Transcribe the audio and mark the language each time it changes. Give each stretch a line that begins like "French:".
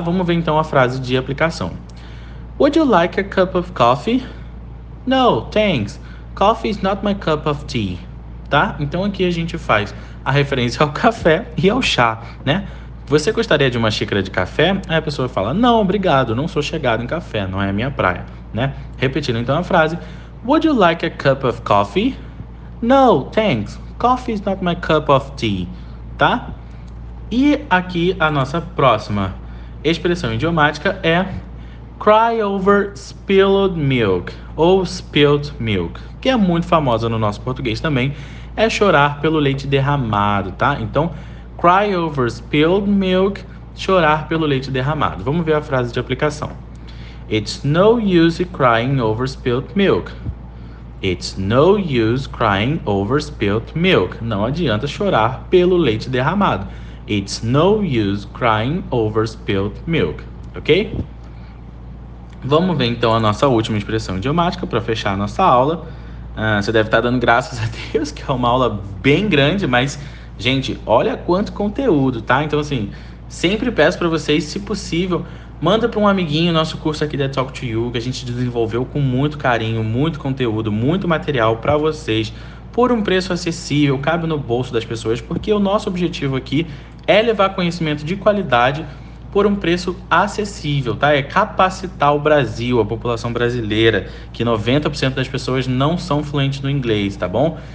Portuguese: Vamos ver então a frase de aplicação.
English: Would you like a cup of coffee? No, thanks. Coffee is not my cup of tea. Tá?
Portuguese: Então aqui a gente faz a referência ao café e ao chá, né? Você gostaria de uma xícara de café? Aí a pessoa fala: Não, obrigado, não sou chegado em café, não é a minha praia, né? Repetindo então a frase:
English: Would you like a cup of coffee? No, thanks. Coffee is not my cup of tea. Tá?
Portuguese: E aqui a nossa próxima expressão idiomática é
English: cry over spilled milk
Portuguese: ou
English: spilled milk,
Portuguese: que é muito famosa no nosso português também. É chorar pelo leite derramado, tá? Então,
English: cry over spilled milk,
Portuguese: chorar pelo leite derramado. Vamos ver a frase de aplicação.
English: It's no use crying over spilled milk. It's no use crying over spilled milk.
Portuguese: Não adianta chorar pelo leite derramado.
English: It's no use crying over spilled milk, ok?
Portuguese: Vamos ver então a nossa última expressão idiomática para fechar a nossa aula. Ah, você deve estar dando graças a Deus, que é uma aula bem grande, mas, gente, olha quanto conteúdo, tá? Então, assim, sempre peço para vocês, se possível, manda para um amiguinho nosso curso aqui da Talk to You, que a gente desenvolveu com muito carinho, muito conteúdo, muito material para vocês, por um preço acessível, cabe no bolso das pessoas, porque o nosso objetivo aqui é levar conhecimento de qualidade por um preço acessível, tá? É capacitar o Brasil, a população brasileira, que 90% das pessoas não são fluentes no inglês, tá bom?